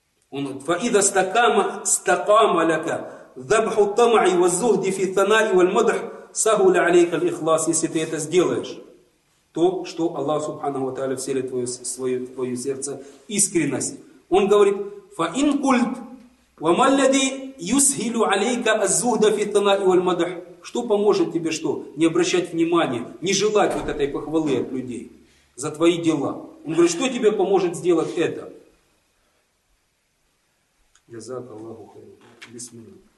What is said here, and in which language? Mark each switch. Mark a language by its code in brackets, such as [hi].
[ru] Он говорит: [ar] «Фаида стакама ляка». ذَبْحُ الطَّمَعِ وَالزُّهْدِ فِي الثَّنَاءِ وَالْمَدْحِ سَهُلَ عَلَيْكَ الْإِخْلَاسِ. [ru] Если ты это сделаешь, то, что Аллах Субханаху ва Тааля вселит в твое сердце искренность. Он говорит: [ar] فَإِنْ قُلْتْ وَمَا الَّذِي يُسْهِلُ عَلَيْكَ الزُّهْدَ فِي الثَّنَاءِ وَالْمَدْحِ. [ru] Что поможет тебе, что? Не обращать внимания, не желать вот этой похвалы от людей за твои дела. Он говорит: что тебе поможет сделать это? [ar] جزاك الله خير. بسم الله.